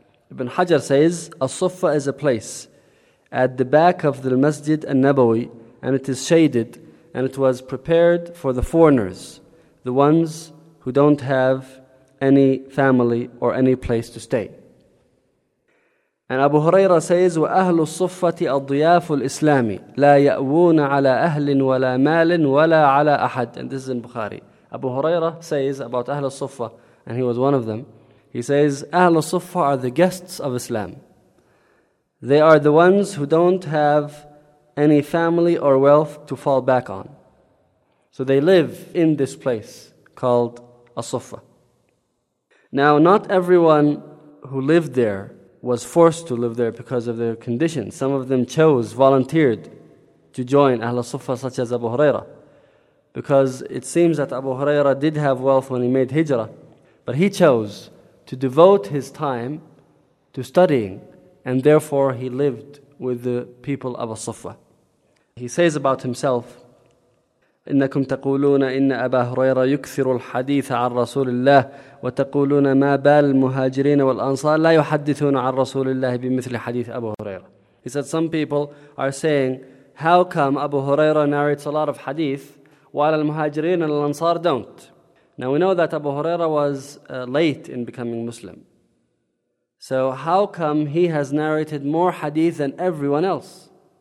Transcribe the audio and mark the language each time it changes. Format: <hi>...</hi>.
<en>Ibn Hajar says As-Suffa is a place at the back of the masjid al-Nabawi, and it is shaded, and it was prepared for the foreigners, the ones who don't have any family or any place to stay. And Abu Huraira says,</en> <ar>وَأَهْلُ الصُّفَّةِ أَضْيَافُ الْإِسْلَامِ لَا يَأْوُونَ عَلَىٰ أَهْلٍ وَلَىٰ مَالٍ وَلَىٰ عَلَىٰ أَحَدٍ.</ar> <en>And this is in Bukhari. Abu Huraira says about Ahl al-Suffa, and he was one of them, he says, Ahl al-Suffa are the guests of Islam. They are the ones who don't have any family or wealth to fall back on. So they live in this place called As-Suffa. Now, not everyone who lived there was forced to live there because of their condition. Some of them chose, volunteered to join Ahl al-Suffa, such as Abu Huraira, because it seems that Abu Huraira did have wealth when he made Hijrah, but he chose to devote his time to studying, and therefore he lived with the people of As-Suffah. He says about himself,</en> <ar>إنكم تقولون إن أبا هريرة يكثر الحديث عن رسول الله وتقولون ما بال المهاجرين والأنصار لا يحدثون عن رسول الله بمثل حديث أبو هريرة.</ar> <en>He said some people are saying, how come Abu Huraira narrates a lot of hadith while al-Muhajirin and al-Ansar don't? Now we know that Abu Huraira was late in becoming Muslim. So how come he has narrated more hadith than everyone else?</en>